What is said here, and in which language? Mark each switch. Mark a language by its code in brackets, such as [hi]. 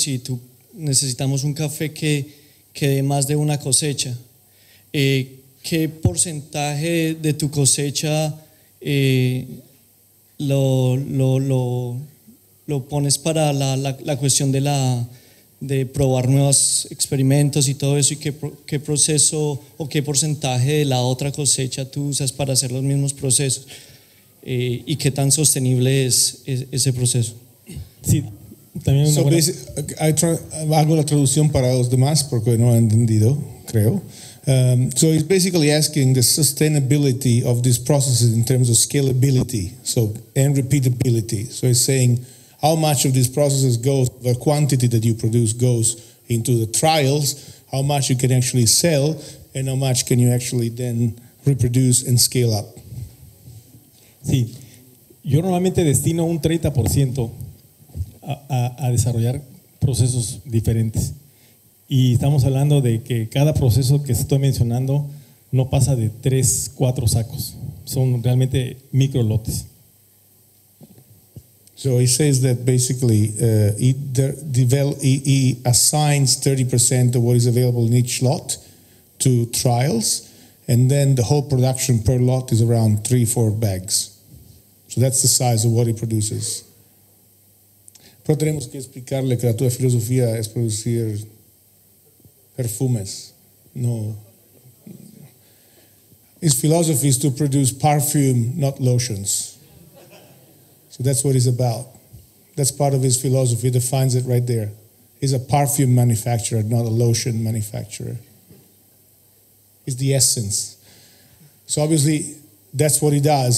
[es] Si tú necesitamos un café que dé más de una cosecha, ¿qué porcentaje de tu cosecha lo pones para la cuestión de probar nuevos experimentos y todo eso, y qué proceso o qué porcentaje de la otra cosecha tú usas para hacer los mismos procesos, y qué tan sostenible es ese proceso? Sí, también una buena. Hago la traducción para los demás porque no he entendido, creo. [en] So he's basically asking the sustainability of these processes in terms of scalability, so and repeatability. So he's saying how much of these processes goes, the quantity that you produce goes into the trials, how much you can actually sell, and how much can you actually then reproduce and scale up. [es] Sí, yo normalmente destino un 30%. A desarrollar procesos diferentes. Y estamos hablando de que cada proceso que estoy mencionando no pasa de 3-4 sacos. Son realmente micro lotes. [en] So he says that basically he assigns 30% of what is available in each lot to trials, and then the whole production per lot is around 3-4 bags. So that's the size of what he produces. [es] Pero tenemos que explicarle que la tuya filosofía es producir perfumes. No. [en] His philosophy is to produce perfume, not lotions. So that's what he's about. That's part of his philosophy. He defines it right there. He's a perfume manufacturer, not a lotion manufacturer. He's the essence. So obviously, that's what he does.